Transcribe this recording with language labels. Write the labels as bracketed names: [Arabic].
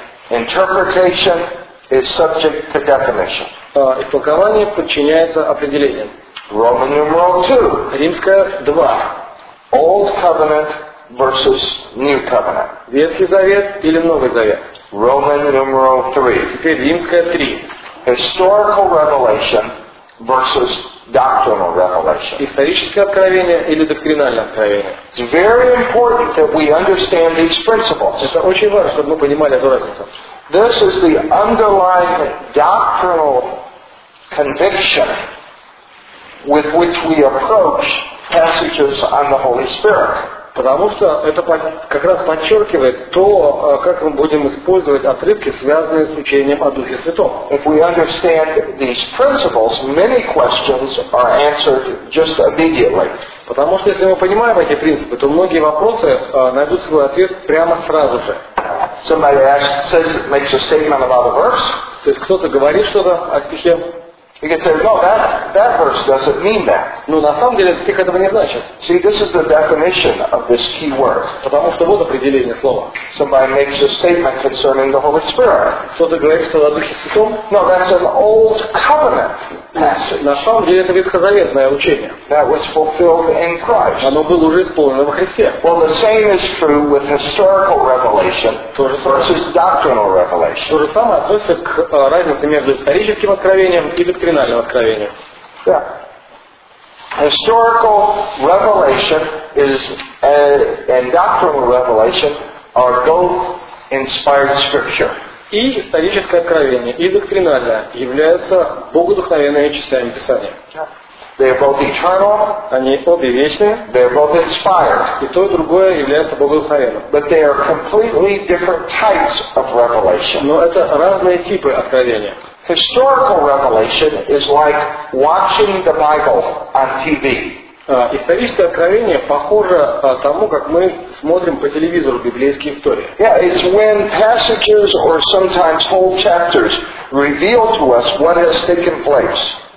[English] Interpretation is subject to definition. [Russian] Истолкование подчиняется определениям. [English] Roman numeral 2. [Russian] Римское 2. [English] Old covenant versus new covenant. [Russian] Ветхий завет или Новый завет. [English] Roman numeral 3. [Russian] Теперь Римское 3. [English] Historical revelation versus doctrinal revelation. [Russian] Историческое откровение или доктринальное откровение. [English] It's very important that we understand these principles. [Russian] Это очень важно, чтобы мы понимали эту разницу. [English] This is the underlying doctrinal conviction with which we approach passages on the Holy Spirit. [Russian] Потому что это как раз подчеркивает то, как мы будем использовать отрывки, связанные с учением о Духе Святом. [English] If we understand these principles, many questions are answered just immediately. [Russian] Потому что если мы понимаем эти принципы, то многие вопросы найдут свой ответ прямо сразу же. [English] Somebody makes a statement about a verse. [Russian] То есть кто-то говорит что-то о стихе. [English] You can say, no, that verse doesn't mean that. [Russian] Но на самом деле стих этого не значит. [English] See, this is the definition of this key word. [Russian] Потому что вот определение слова. [English] Somebody makes a statement concerning the Holy Spirit. [Russian] Кто-то говорит, что о Духе Святом. [English] No, that's an old covenant passage. [Russian] На самом деле это ветхозаветное учение. [English] That was fulfilled in Christ. [Russian] Оно было уже исполнено во Христе. [English] Well, the same is true with historical revelation versus doctrinal revelation. [Russian] То же самое относится к разнице между историческим откровением и доктринального откровения. [English] Yeah. Historical revelation is and doctrinal revelation are both inspired scripture. [Russian] И историческое откровение, и доктринальное являются богодухновенными частями Писания. [English] They are both eternal. [Russian] Они обе вечные. [English] They are both inspired. [Russian] И то, и другое является богодухновенным. [English] But they are completely different types of revelation. [Russian] Но это разные типы откровения. [English] Historical revelation is like watching the Bible on TV. [Russian] Историческое откровение похоже тому, как мы смотрим по телевизору библейские истории. [English] Yeah, it's when passages or sometimes whole chapters reveal to us what has taken place.